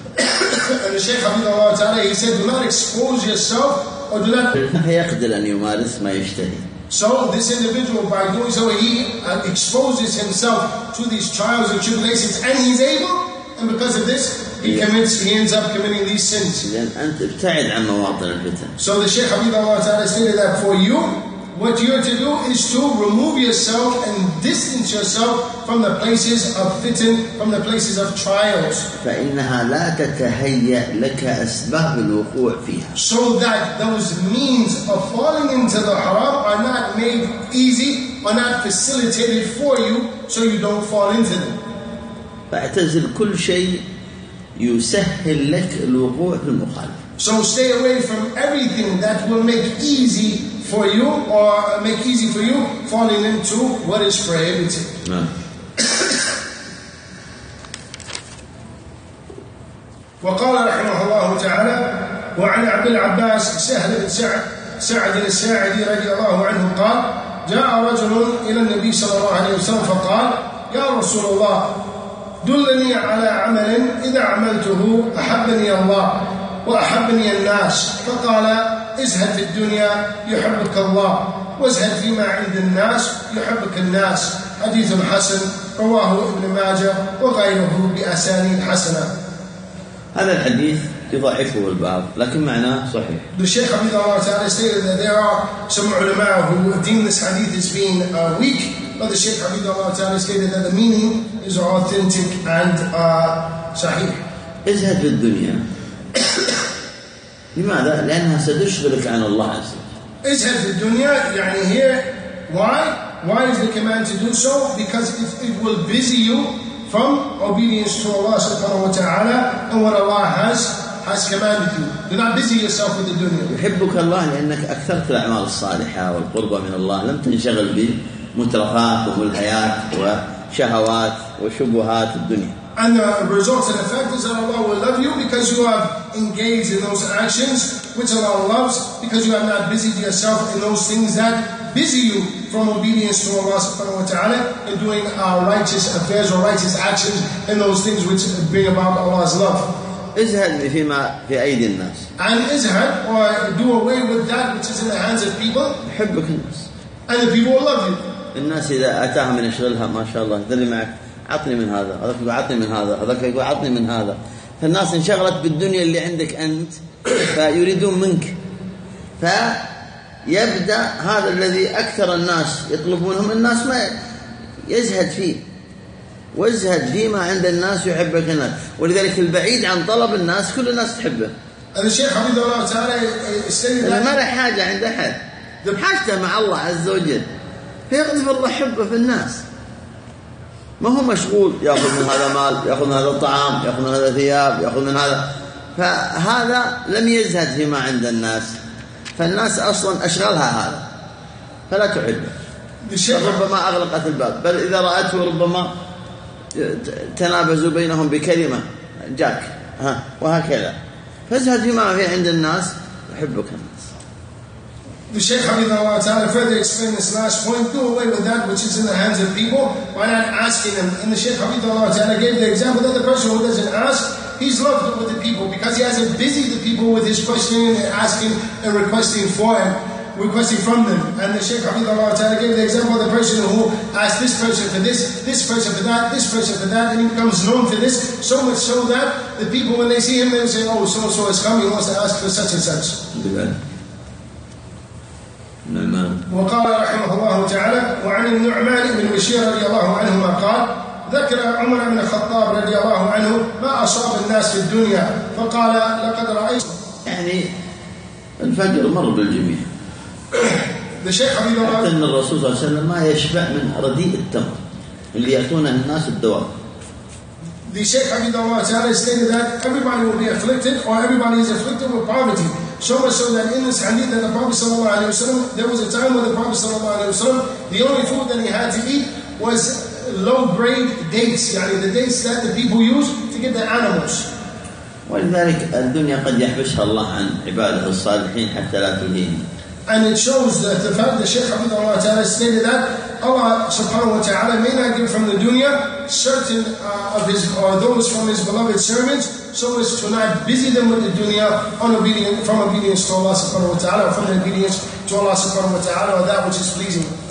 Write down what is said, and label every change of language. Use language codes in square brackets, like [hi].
[en] And the Shaykh [ar] حفظه الله تعالى, [en] he said, do not expose yourself or do not. [ar] يقدر أن يمارس ما يشتهي. [en] So this individual, by doing so, he exposes himself to these trials and tribulations, and he's able. And because of this, he ends up committing these sins. [ar] لأن أنت ابتعد عن مواطن الفتن. [en] So the Shaykh [ar] حفظه الله تعالى [en] stated that for you, what you are to do is to remove yourself and distance yourself from the places of fitin, from the places of trials. [ar] فَإِنَّهَا لَا تَتَهَيَّأْ لَكَ أَسْبَابِ الْوُقُوعِ فِيهَا. [en] So that those means of falling into the haram are not made easy, are not facilitated for you, so you don't fall into them. [ar] فَاعْتَزِلْ كُلْ شَيْءٍ يُسَهِّلْ لَكَ الْوُقُوعِ فِي الْمُخَالِفِ. [en] So stay away from everything that will make easy for you or make easy for you falling into what is prohibited. No. [ar] وقال رحمه الله تعالى وعن عبد العباس سهل بن سعد سعد الساعدي رضي الله عنه قال جاء رجل إلى النبي صلى الله عليه وسلم فقال يا رسول الله دلني على عمل إذا عملته أحبني الله وأحبني الناس. فقال ازهد في الدنيا يحبك الله وازهد فيما عند الناس يحبك الناس. حديث حسن رواه ابن ماجه وغيره بأسانيد حسنة. هذا الحديث يضعفه البعض لكن معناه صحيح. [en] The Sheikh Abid Allah Ta'ala stated that there are some ulama who deem this hadith as being weak, but the Sheikh Abid Allah Ta'ala stated that the meaning is authentic and صحيح. [ar] ازهد في الدنيا لماذا؟ لأنها ستشغلك عن الله عز وجل. ازهد في الدنيا يعني [en] here, why is the command to do so? Because if it will busy you from obedience to Allah subhanahu wa ta'ala and what Allah has commanded you. Do not busy yourself with the dunya. [ar] يحبك الله لأنك أكثرت الأعمال الصالحة والقربة من الله، لم تنشغل بمترفات وملهيات وشهوات وشبهات الدنيا. [en] And the result and effect is that Allah will love you because you have engaged in those actions which Allah loves, because you have not busied yourself in those things that busy you from obedience to Allah subhanahu wa ta'ala and doing our righteous affairs or righteous actions in those things which bring about Allah's love. [ar] ازهد فيما في أيدي الناس. [en] And ازهد or do away with that which is in the hands of people. [ar] يحبك الناس. [en] And the people will love you. [ar] الناس إذا أتاها من أشغلها ما شاء الله ذلي معك عطني من هذا، هذاك يقول عطني من هذا، هذاك يقول عطني من هذا. فالناس انشغلت بالدنيا اللي عندك أنت فيريدون منك. فيبدأ هذا الذي أكثر الناس يطلبونهم الناس ما يزهد فيه. وازهد فيما عند الناس يحبك الناس. ولذلك البعيد عن طلب الناس كل الناس تحبه. هذا الشيخ حفظه الله تعالى يستند ما له حاجة عند أحد. حاجته مع الله عز وجل. فيغلب الله حبه في الناس. ما هو مشغول يأخذ من هذا مال، يأخذ من هذا الطعام، يأخذ من هذا ثياب، يأخذ من هذا. فهذا لم يزهد فيما عند الناس، فالناس أصلا أشغلها هذا فلا تحبه. ربما أغلقت الباب، بل إذا رأته ربما تنابزوا بينهم بكلمة جاك ها وهكذا. فازهد فيما في عند الناس يحبك الناس. [en] The Shaykh Habib Allah Ta'ala further explained this last point, do away with that which is in the hands of people by not asking them. And the Shaykh Habib Allah Ta'ala gave the example that the person who doesn't ask, he's loved with the people because he hasn't busied the people with his questioning and asking and requesting for him, requesting from them. And the Shaykh Habib Allah Ta'ala gave the example of the person who asked this person for this, this person for that, this person for that, and he becomes known for this, so much so that the people when they see him, they say, oh, so-and-so has come, he wants to ask for such and such. Amen. [ar] وقال رحمه الله تعالى وعن النعمان بن بشير رضي الله عنهما قال ذكر عمر بن الخطاب رضي الله عنه ما أصاب الناس في الدنيا فقال لقد رأيت يعني الفجر مر بالجميع. حتى أن الرسول صلى الله عليه وسلم ما يشبع من رديء التمر اللي يأتونه الناس الدوام. [en] The Shaykh Abid Allah Ta'ala stated that everybody will be afflicted or everybody is afflicted with poverty. So much so that in this hadith that the Prophet Sallallahu Alaihi Wasallam, there was a time when the Prophet Sallallahu Alaihi Wasallam, the only food that he had to eat was low-grade dates, yani the dates that the people used to get the animals. [ar] ولذلك الدنيا قد يحبسها الله عن عباده الصالحين حتى لا تلهيهم. [en] And it shows that the fact that Shaykh Abid Allah Ta'ala stated that Allah subhanahu wa ta'ala may not give from the dunya certain of his or those from his beloved servants so as to not busy them with the dunya from obedience to Allah subhanahu wa ta'ala or from obedience to Allah subhanahu wa ta'ala or that which is pleasing.